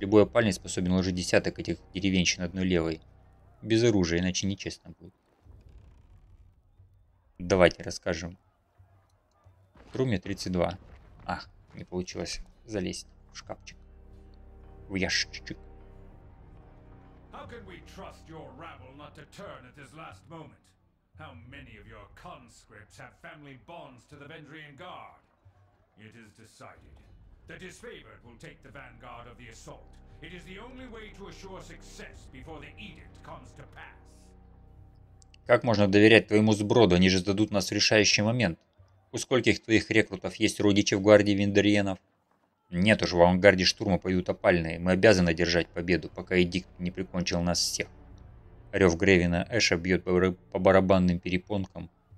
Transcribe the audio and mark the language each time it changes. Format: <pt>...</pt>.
<ru>Любой парень способен уложить десяток этих деревенщин одной левой. Без оружия, иначе нечестно будет. Давайте расскажем. Труме 32. Ах, не получилось залезть в шкафчик. В ящичек.</ru> <en>How can we trust your rabble not to turn at this last moment? How many of your conscripts have family bonds to the Vendrian Guard? It is decided. The disfavored will take the vanguard of the assault. It is the only way to assure success before the edict comes to pass.</en> <ru>Как можно доверять твоему сброду? Они же сдадут нас в решающий момент. У скольких твоих рекрутов есть родичи в гвардии Вендерьенов? Нет уж, в авангарде штурма пойдут опальные. Мы обязаны держать победу, пока Эдикт не прикончил нас всех. Рев Гревина Эша бьет по барабанным перепонкам.</ru>